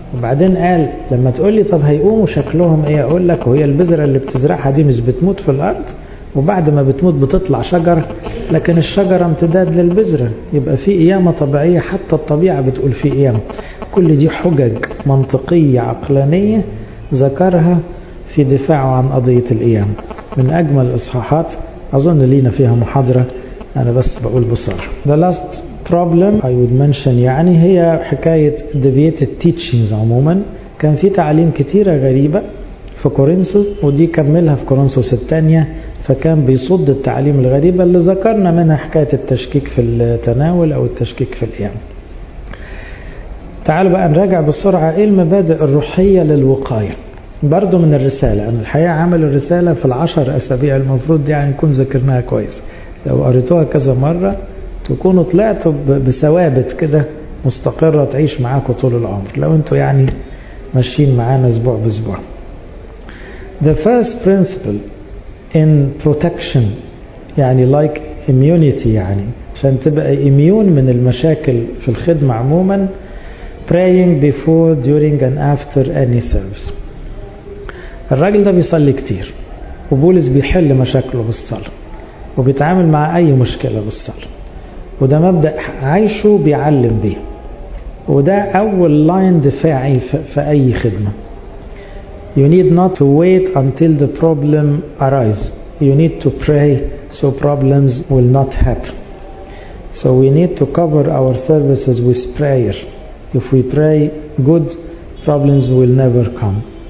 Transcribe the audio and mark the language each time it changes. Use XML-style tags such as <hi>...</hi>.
<ar>وبعدين قال لما تقولي طب هيقوموا شكلهم ايه، اقول لك وهي البذرة اللي بتزرعها دي مش بتموت في الأرض، وبعد ما بتموت بتطلع شجرة، لكن الشجرة امتداد للبذرة، يبقى في قيامة طبيعية، حتى الطبيعة بتقول في قيامة. كل دي حجج منطقية عقلانية ذكرها في دفاعه عن قضية القيامة، من أجمل الإصحاحات، أظن لينا فيها محاضرة أنا بس بقول بصراحة.</ar> <en>The last problem I would mention</en> <ar>يعني هي حكاية</ar> <en>deviated teachings</en> <ar>عموما. كان في تعاليم كتيرة غريبة في كورنثوس ودي كملها في كورنثوس الثانية، فكان بيصد التعاليم الغريبة اللي ذكرنا منها حكاية التشكيك في التناول أو التشكيك في القيام. تعالوا بقى نراجع بسرعة إيه المبادئ الروحية للوقاية برضو من الرسالة. أنا الحقيقة عمل الرسالة في 10 أسابيع المفروض دي يعني نكون ذكرناها كويس، لو قريتوها كذا مرة تكونوا طلعتوا بثوابت كده مستقرة تعيش معاكوا طول العمر لو أنتوا يعني ماشيين معانا أسبوع بأسبوع.</ar> <en>The first principle in protection يعني like immunity يعني</en> <ar>عشان تبقى</ar> <en>immune</en> <ar>من المشاكل في الخدمة عموما،</ar> <en>praying before, during and after any service.</en> <ar>الراجل ده بيصلي كتير وبولس بيحل مشاكله بالصلاة وبيتعامل مع أي مشكلة بالصلاة، وده مبدأ عايشه بيعلم بيه، وده أول لاين دفاعي في أي خدمة.</ar> <en>You need not to wait until the problem arises. You need to pray so problems will not happen. So we need to cover our services with prayer. If we pray good, problems will never come.</en>